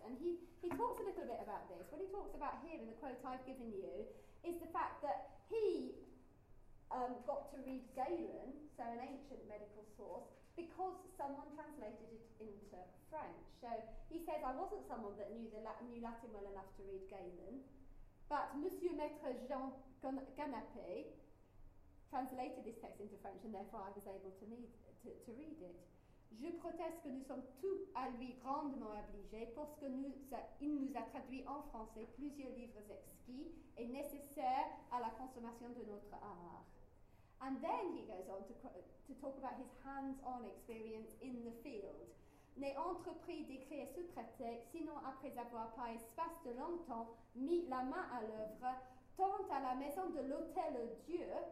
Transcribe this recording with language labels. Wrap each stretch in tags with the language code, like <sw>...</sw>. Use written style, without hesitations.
<en>And he talks a little bit about this. What he talks about here in the quote I've given you is the fact that he got to read Galen, so an ancient medical source, because someone translated it into French. So he says, I wasn't someone that knew Latin well enough to read Galen, but Monsieur Maître Jean Canapé translated this text into French, and therefore I was able to read it.</en> <fr>Je proteste que nous sommes tous à lui grandement obligés parce que il nous a traduit en français plusieurs livres exquis et nécessaires à la consommation de notre art.</fr> <en>And then he goes on to talk about his hands-on experience in the field.</en> <fr>N'ai entrepris d'écrire ce traité, sinon après avoir, par espace de longtemps, mis la main à l'œuvre, tant à la maison de l'Hôtel Dieu.</fr>